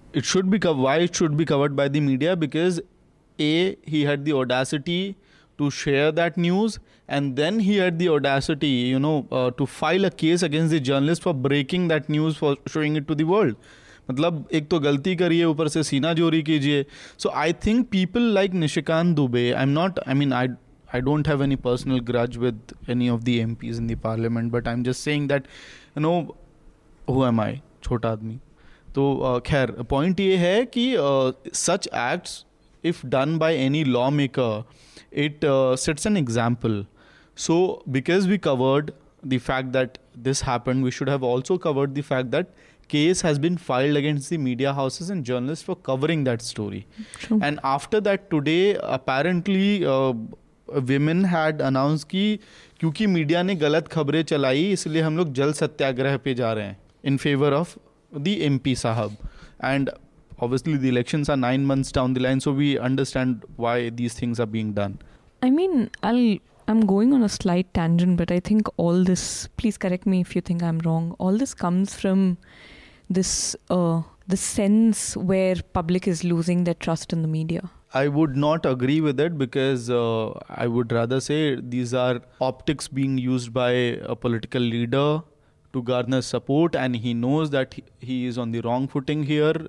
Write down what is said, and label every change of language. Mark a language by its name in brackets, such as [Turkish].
[English] It should be covered by the media because A, he had the audacity to share that news, and then he had the audacity, to file a case against the journalist for breaking that news, for showing it to the world. [Hindi] Matlab ek to galti kariye, upar se seena jori kijiye. [English] So I think people like Nishikant Dubey, I don't have any personal grudge with any of the MPs in the parliament, but I'm just saying that, who am I? [Hindi] Chhota aadmi. [English] तो खैर पॉइंट ये है कि such acts if done by any law maker it sets an example so because we covered the fact that this happened we should have also covered the fact that case has been filed against the media houses and journalist for covering that story and after that today apparently women had announce [Hindi] कि क्योंकि media ने गलत खबरें चलाई इसलिए हम लोग जल सत्याग्रह पे जा रहे हैं [English] In favour of the MP sahab, and obviously the elections are 9 months down the line, so we understand why these things are being done. I'm going on a slight tangent, but I think all this, please correct me if you think I'm wrong, all this comes from this the sense where public is losing their trust in the media. I would not agree with it because I would rather say these are optics being used by a political leader to garner support, and he knows that he is on the wrong footing here.